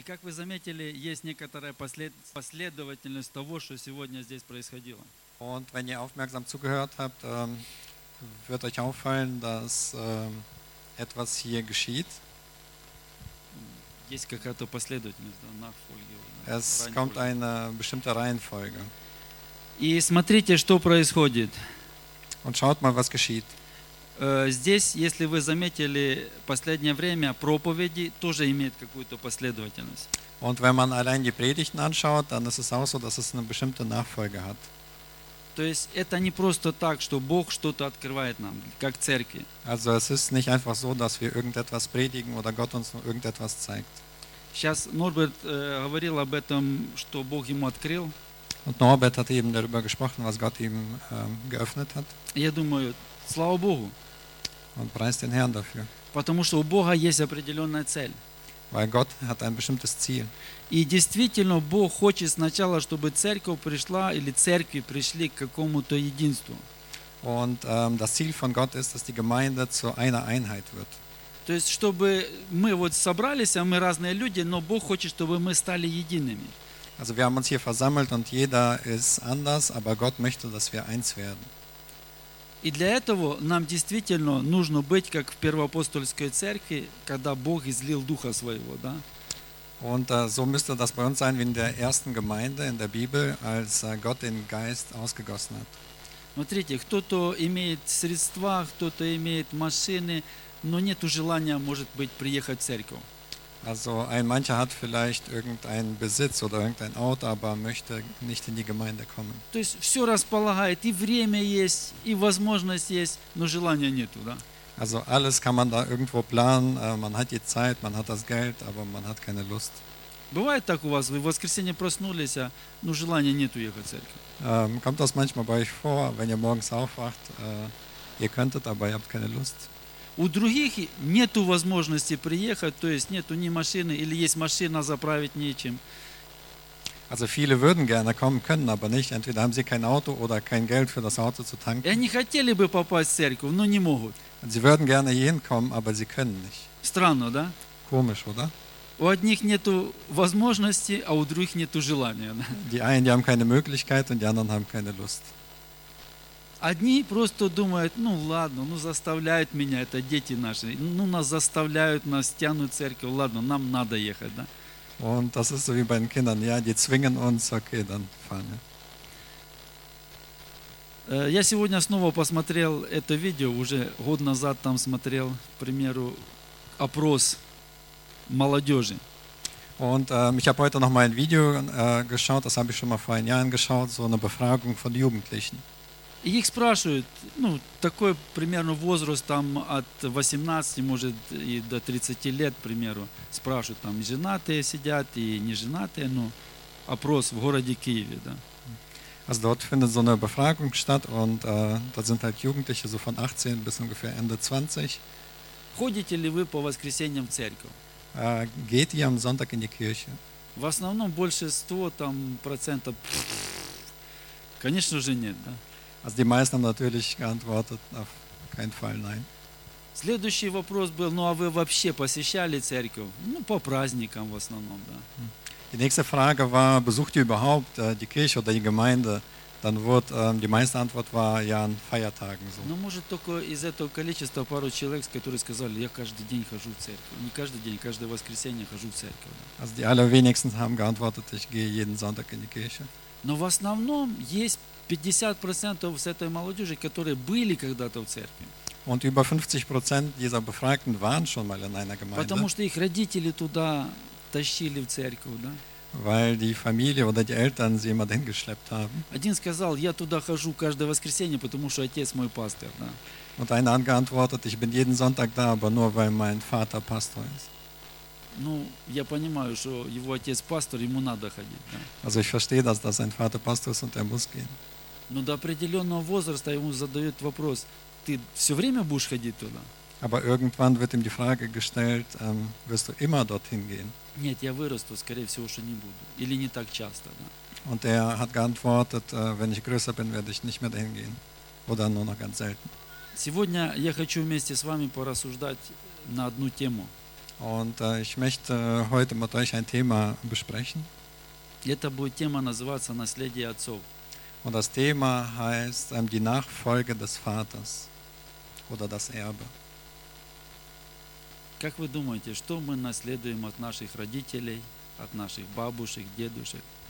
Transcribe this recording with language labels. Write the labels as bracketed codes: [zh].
[ru] как вы заметили, есть некоторая последовательность того, что сегодня здесь происходило. [de] Und wenn ihr aufmerksam zugehört habt, wird euch auffallen, dass etwas hier geschieht. [ru] Есть какая-то последовательность, да, нахфольги. [de] Es kommt eine bestimmte Reihenfolge. [ru] И смотрите, что происходит. [de] Und schaut mal, was geschieht. [ru] Здесь, если вы заметили, последнее время проповеди тоже имеют какую-то последовательность. [de] Und wenn man allein die Predigten anschaut, dann ist es auch so, dass es eine bestimmte Nachfolge hat. [ru] То есть это не просто так, что Бог что-то открывает нам, как церкви. [de] Also es ist nicht einfach so, dass wir irgendetwas predigen oder Gott uns irgendetwas zeigt. [ru] Сейчас Норберт говорил об этом, что Бог ему открыл. [de] Und Norbert hat eben darüber gesprochen, was Gott ihm geöffnet hat. [ru] Я думаю, слава Богу. [de] Und preist den Herrn dafür. [ru] Потому что у Бога есть определенная цель. [de] Weil Gott hat ein bestimmtes Ziel. [ru] И действительно, Бог хочет сначала, чтобы церковь пришла или церкви пришли к какому-то единству. [de] Und das Ziel von Gott ist, dass die Gemeinde zu einer Einheit wird. [ru] То есть, чтобы мы вот собрались, а мы разные люди, но Бог хочет, чтобы мы стали едиными. [de] Also wir haben uns hier versammelt und jeder ist anders, aber Gott möchte, dass wir eins werden. [ru] И для этого нам действительно нужно быть как в первоапостольской церкви, когда Бог излил Духа Своего, да? [de] Und so müsste das bei uns sein, wie in der ersten Gemeinde in der Bibel, als Gott den Geist ausgegossen hat. [ru] Смотрите, кто-то имеет средства, кто-то имеет машины, но нету желания, может быть, приехать в церковь. [de] Also mancher hat vielleicht irgendeinen Besitz oder irgendein Auto, aber möchte nicht in die Gemeinde kommen. [ru] То есть все располагает, и время есть, и возможность есть, но желания нету, да? [de] Also alles kann man da irgendwo planen, man hat die Zeit, man hat das Geld, aber man hat keine Lust. [ru] Бывает так у вас, вы в воскресенье проснулись, но желания нету ехать в церковь? [de] Kommt das manchmal bei euch vor, wenn ihr morgens aufwacht, ihr könntet, aber ihr habt keine Lust? [ru] У других нету возможности приехать, то есть нету ни машины, или есть машина, заправить нечем. [de] Also viele würden gerne kommen können, aber nicht. Entweder haben sie kein Auto oder kein Geld für das Auto zu tanken. [ru] И они хотели бы попасть в церковь, но не могут. [de] Sie würden gerne hinkommen, aber sie können nicht. [ru] Странно, да? [de] Komisch, oder? [ru] У одних нету возможности, а у других нету желания. Да? [de] Die einen, die haben keine Möglichkeit und die anderen haben keine Lust. [ru] Одни просто думают, ну ладно, ну заставляют меня, это дети наши, ну нас заставляют, нас тянут в церковь, ладно, нам надо ехать, да? [de] Und das ist so wie bei den Kindern, ja, die zwingen uns, okay, dann fahren wir. [ru] Я сегодня снова посмотрел это видео, уже год назад там смотрел, к примеру, опрос молодежи. [de] Und ich habe heute nochmal ein Video geschaut, das habe ich schon mal vor ein Jahren geschaut, so eine Befragung von Jugendlichen. [ru] И их спрашивают, ну, такой примерно возраст там от 18, может, и до 30 лет, к примеру. Спрашивают, там, женатые сидят и неженатые, ну, опрос в городе Киеве, да. [de] Also dort findet so eine Befragung statt und da sind halt Jugendliche so von 18 bis ungefähr Ende 20. [ru] Ходите ли вы по воскресеньям в церковь? [de] Geht ihr am Sonntag in die Kirche? [ru] В основном большинство там процентов, конечно же, нет, да. [de] Also die meisten haben natürlich geantwortet, auf keinen Fall nein. [ru] Следующий вопрос был, ну а вы вообще посещали церковь? Ну, по праздникам в основном, да. [de] Die nächste Frage war, besucht ihr überhaupt die Kirche oder die Gemeinde? Dann wurde, die meiste Antwort war, ja, an Feiertagen. So. [ru] Ну, может, только из этого количества пару человек, которые сказали, я каждый день хожу в церковь. Не каждый день, каждое воскресенье хожу в церковь. [de] Also die allerwenigsten haben geantwortet, ich gehe jeden Sonntag in die Kirche. [ru] Но в основном есть 50% с этой молодежи, которые были когда-то в церкви. [de] Und über 50% dieser Befragten waren schon mal in einer Gemeinde. [ru] Потому что их родители туда тащили в церковь, да? [de] Weil die Familie oder die Eltern sie immer dahin geschleppt haben. [ru] Один сказал, я туда хожу каждое воскресенье, потому что отец мой пастор, да? [de] Und einer hat geantwortet, ich bin jeden Sonntag da, aber nur weil mein Vater Pastor ist. [ru] Ну, я понимаю, что его отец пастор, ему надо ходить, да? [de] Also ich verstehe, dass das sein Vater Pastor ist und er muss gehen. [ru] Но до определенного возраста ему задают вопрос, ты все время будешь ходить туда? [de] Aber irgendwann wird ihm die Frage gestellt, wirst du immer dorthin gehen? [ru] Нет, я вырасту, скорее всего, что не буду. Или не так часто, да? [de] Und er hat geantwortet, wenn ich größer bin, werde ich nicht mehr dahin gehen. Oder nur noch ganz selten. [ru] Сегодня я хочу вместе с вами порассуждать на одну тему. [de] Und ich möchte heute mit euch ein Thema besprechen. [ru] Это будет тема называться «Наследие отцов». [de] Und das Thema heißt die Nachfolge des Vaters oder das Erbe. [ru] Как вы думаете, что мы наследуем от наших родителей, от наших бабушек, дедушек?